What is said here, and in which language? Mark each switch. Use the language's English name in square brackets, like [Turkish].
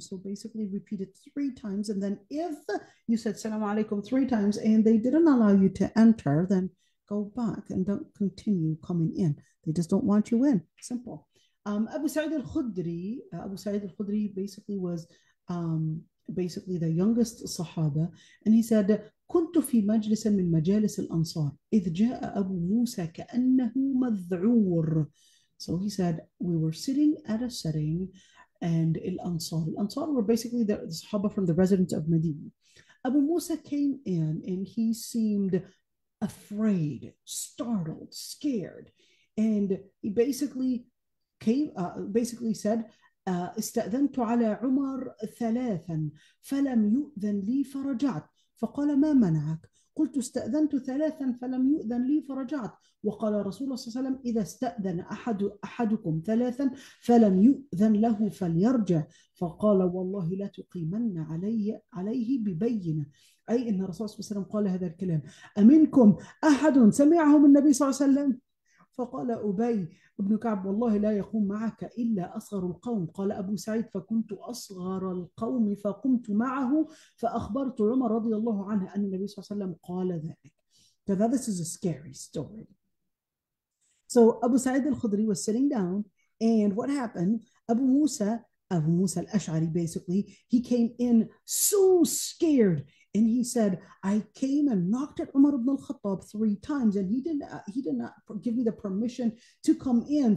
[English] So basically repeat it three times. And then if you said salam alaikum three times and they didn't allow you to enter, then go back and don't continue coming in. They just don't want you in. Simple. Abu Sa'id al-Khudri basically was basically the youngest sahaba. And he said, [Arabic] كنت في مجلس من مجالس الأنصار إذ جاء أبو موسى كأنه مذعور. [English] So he said, we were sitting at a setting and Al-Ansar were basically the Sahaba from the residents of Medina. Abu Musa came in and he seemed afraid, startled, scared. And he basically came, basically said, [Arabic] استأذنت على عمر ثلاثا فلم يؤذن لي فرجعت. فقال ما منعك؟ قلت استأذنت ثلاثا فلم يؤذن لي فرجعت. وقال رسول الله صلى الله عليه وسلم إذا استأذن أحدكم ثلاثا فلم يؤذن له فليرجع. فقال والله لا تقيمن عليه ببينة. أي إن رسول الله صلى الله عليه وسلم قال هذا الكلام. أمنكم أحد سمعه من النبي صلى الله عليه وسلم؟ فقال أبي بن كعب والله لا يقوم معك إلا أصغر القوم. قال أبو سعيد فكنت أصغر القوم فقمت معه فأخبرت عمر رضي الله عنه أن النبي صلى الله عليه وسلم قال ذلك. [English] So this is a scary story. So Abu Sa'id al-Khudri was sitting down, and what happened? Abu Musa al-Ash'ari basically, he came in so scared. And he said, I came and knocked at Umar ibn al-Khattab three times, and he did not give me the permission to come in.